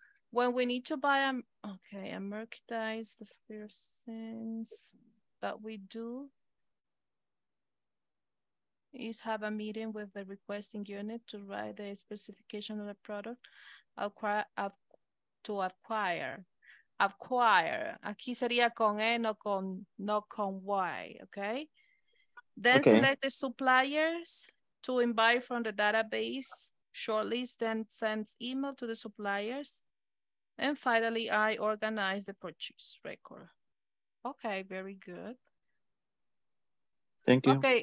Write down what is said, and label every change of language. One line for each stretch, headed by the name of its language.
English: When we need to buy a, okay, a merchandise, the first sense that we do is have a meeting with the requesting unit to write the specification of the product acquire.
Spanish: Aquí sería con E, no con Y, okay?
English: Then okay. Select the suppliers to invite from the database, shortlist, then send email to the suppliers. And finally, I organize the purchase record. Okay, very good. Thank you.